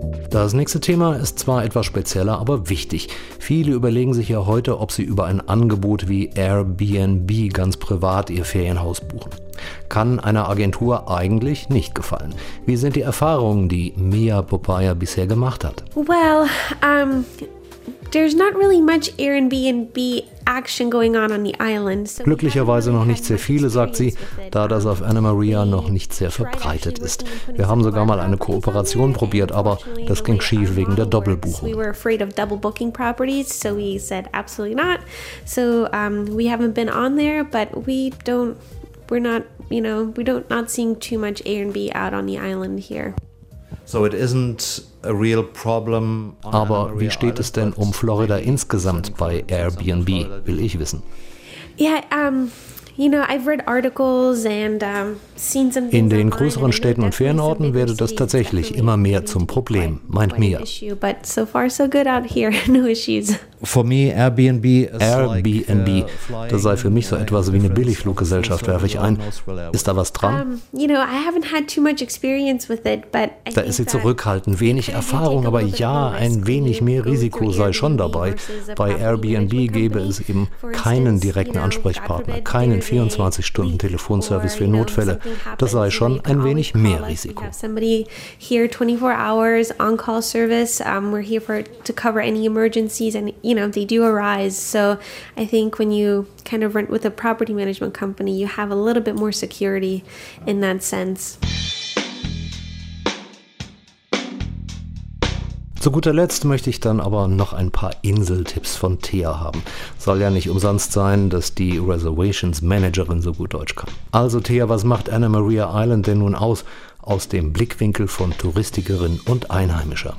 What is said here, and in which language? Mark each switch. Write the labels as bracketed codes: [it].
[de] Das nächste Thema ist zwar etwas spezieller, aber wichtig. Viele überlegen sich ja heute, ob sie über ein Angebot wie Airbnb ganz privat ihr Ferienhaus buchen. Kann einer Agentur eigentlich nicht gefallen. Wie sind die Erfahrungen, die Mia Popaya bisher gemacht hat? [en] Well, there's not really much Airbnb action going on the island. [de] So glücklicherweise noch nicht sehr viele, sagt sie, da das auf Anna Maria noch nicht sehr verbreitet ist. Wir haben sogar mal eine Kooperation probiert, aber das ging schief wegen der Doppelbuchung. [en] We were afraid of double booking properties, so we said absolutely not. So we haven't been on there, but we're not seeing too much Airbnb out on the island here. So it isn't a real problem. [de] Aber wie steht es denn um Florida insgesamt bei Airbnb, will ich wissen. [en] I've read articles and seen some. [de] In den größeren Städten und Ferienorten werde das tatsächlich immer mehr zum Problem, meint Mia. [en] But so far so good out here, no issues. For me, Airbnb, [de] das sei für mich so etwas wie eine Billigfluggesellschaft, werfe ich ein. Ist da was dran? [en] I haven't had too much experience with it, but. [de] Da ist sie zurückhaltend, wenig Erfahrung, aber ja, ein wenig mehr Risiko sei schon dabei. Bei Airbnb gäbe es eben keinen direkten Ansprechpartner, keinen 24-Stunden-Telefonservice für Notfälle. Das sei schon ein wenig mehr Risiko. [en] We have somebody here 24 hours on-call service. We're here to cover any emergencies and they do arise. So I think when you kind of rent with a property management company, you have a little bit more security in that sense. [de] Zu guter Letzt möchte ich dann aber noch ein paar Inseltipps von Thea haben. Soll ja nicht umsonst sein, dass die Reservations Managerin so gut Deutsch kann. Also Thea, was macht Anna Maria Island denn nun aus dem Blickwinkel von Touristikerin und Einheimischer?